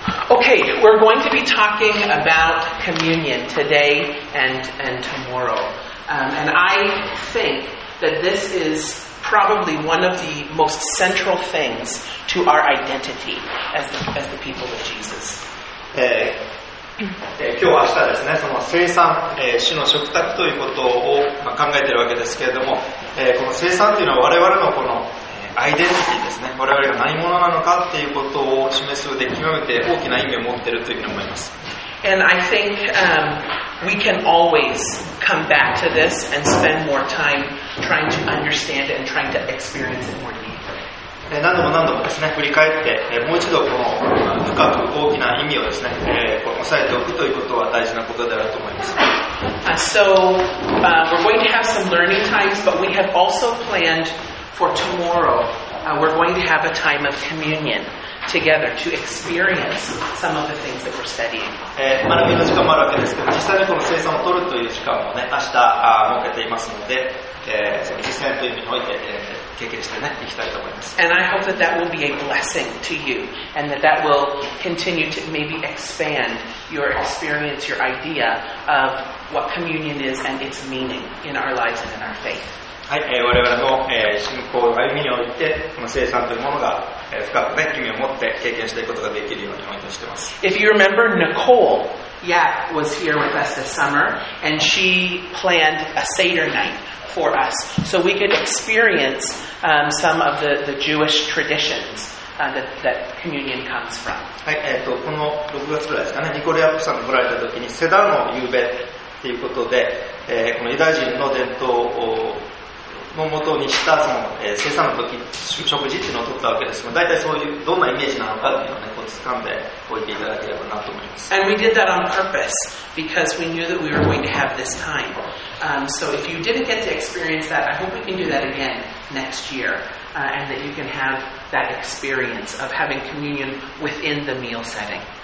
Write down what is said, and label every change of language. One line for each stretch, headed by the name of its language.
English: Okay, we're going to be talking about communion today and tomorrow. And I think that this is probably one of the most central things to our identity as the people of Jesus.
Japanese: 今日明日ですね、その生産、主の食卓ということを、まあ、考えているわけですけれども、この生産というのは我々のこのアイデンティティですね、我々が何者なのかっていうことを示すうえで極めて大きな意味を持っているというふうに思います。
English: And I think, we can always come back to this and spend more time trying to understand and trying to experience it more deeply.
Japanese: 何度も何度もですね、振り返って、もう一度この深く大きな意味をですね、押さえておくということは大事なことであると思います。
English: We're going to have some learning times, but we have also plannedFor tomorrow, we're going to have a time of communion together to experience some of the things that we're studying.
Japanese: 学びの時間もあるわけですけど、実際にこの聖餐を取るという時間もね、明日設けていますので、その実践という意味において、経験してね、いきたいと思います。
English: And I hope that that will be a blessing to you, and that that will continue to maybe expand your experience, your idea of what communion is and its meaning in our lives and in our faith.
Japanese: はい、我々の、信仰の歩みにおいてこの聖餐というものが、深く、ね、意味を持って経験していくことができるようにお祈りしています。
English: If you remember, Nicole Yap was here with us this summer and she planned a Seder night for us so we could experience、some of the Jewish traditions、that communion comes from、
Japanese: はい、この6月ぐらいですかね、ニコル・ヤップさんが来られた時にセダの夕べということで、このユダヤ人の伝統をの元にしたその、生産の時食事っていうのを取ったわけですが、大体そういうどんなイメージなのかっていうのを、ね、こう掴んでおいていただければなと思います。
English: And we did that on purpose because we knew that we were going to have this time、so if you didn't get to experience that, I hope we can do that again next year、and that you can have that experience of having communion within the meal setting、